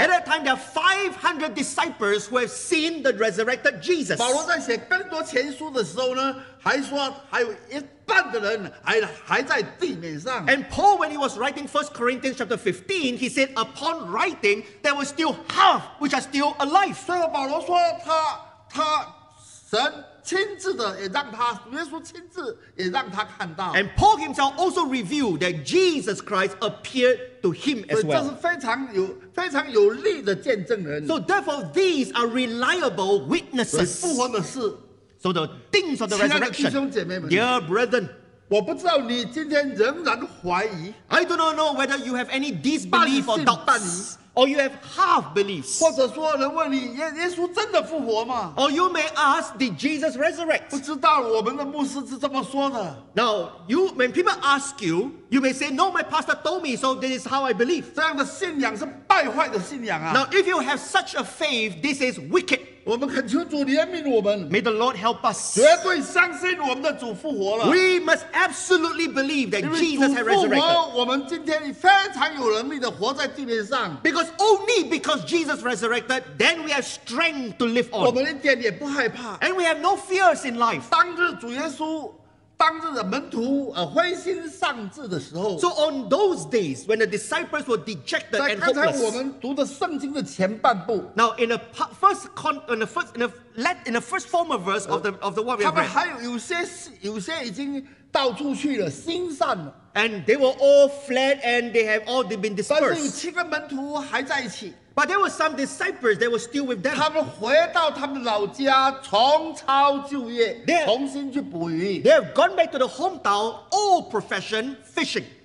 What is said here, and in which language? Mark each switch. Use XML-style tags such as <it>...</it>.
<en>At that time, there are 500 disciples who have seen the resurrected Jesus.</en> <zh>保罗在写更多前书的时候呢, 还说还有一半的人还在地面上。</zh> <en>And Paul, when he was writing 1 Corinthians chapter 15, he said, upon writing, there were still half which are still alive.</en> <zh>所以保罗说他神 亲自的也让他，耶稣亲自也让他看到。</zh> <en>And Paul himself also revealed that Jesus Christ appeared to him as well.</en> <zh>这是非常有力的见证人。</zh> <en>So therefore, these are reliable witnesses.</en> <zh>复活的事。</zh> <en>So the things of the resurrection.</en> <zh>亲爱的弟兄姐妹们,</zh> <en>dear brethren,</en> <zh>我不知道你今天仍然怀疑,</zh> <en>I do not know whether you have any disbelief or doubts, or you have half beliefs.</en> <zh>或者说人问你, 耶稣真的复活吗?</zh> <en>Or you may ask, did Jesus resurrect?</en> <zh>不知道我们的牧师是这么说的。</zh> <en>Now, you, when people ask you, you may say, no, my pastor told me, so this is how I believe.</en> <zh>这样的信仰是败坏的信仰啊。</zh> <en>Now, if you have such a faith, this is wicked.</en> <zh>我们恳求主怜悯我们,</zh> <en>May the Lord help us.</en> <zh>绝对相信我们的主复活了,</zh> <en>we must absolutely believe that Jesus has resurrected.</en> <zh>我们今天非常有能力地活在地面上,</zh> <en>because only because Jesus resurrected, then we have strength to live on.</en> <zh>我们一点也不害怕,</zh> <en>and we have no fears in life.</en> <zh>当日主耶稣, 当日的门徒, 灰心丧志的时候,</zh> <en>so on those days when the disciples were dejected and hopeless.</en> <zh>在刚才我们读的圣经的前半部,</zh> <en>now in the first former verse of the what we have read,</en> <zh>他们还有些已经到处去了，心散了,</zh> <en>and they were all fled and they have all been dispersed.</en> <zh>但是有七个门徒还在一起,</zh> <en>But there were some disciples that were still with them.</en> <zh>他们回到他们老家，重操旧业，重新去捕鱼。</zh> <en>They have gone back to the hometown, old profession, fishing.</en>